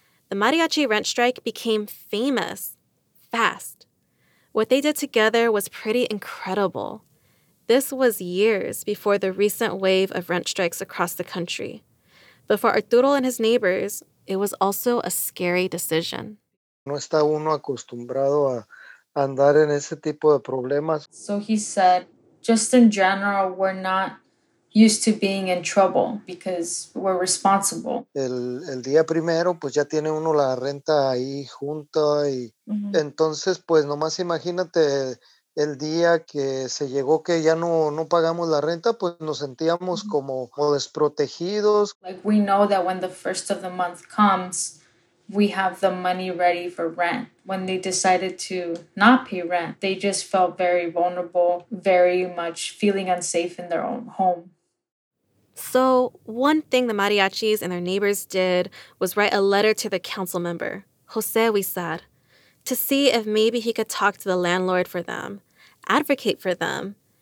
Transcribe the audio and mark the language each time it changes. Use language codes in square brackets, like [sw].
[en] The mariachi rent strike became famous, fast. What they did together was pretty incredible. This was years before the recent wave of rent strikes across the country. But for Arturo and his neighbors, it was also a scary decision. [es] No está uno acostumbrado a andar en ese tipo de problemas. [en] So he said, just in general, we're not used to being in trouble because we're responsible. [es] El día primero, pues ya tiene uno la renta ahí junta y entonces, pues nomás imagínate el día que se llegó que ya no pagamos la renta, pues nos sentíamos como desprotegidos. [en] Like we know that when the first of the month comes, we have the money ready for rent. When they decided to not pay rent, they just felt very vulnerable, very much feeling unsafe in their own home. So one thing the mariachis and their neighbors did was write a letter to the council member, Jose Huizar, to see if maybe he could talk to the landlord for them, advocate for them.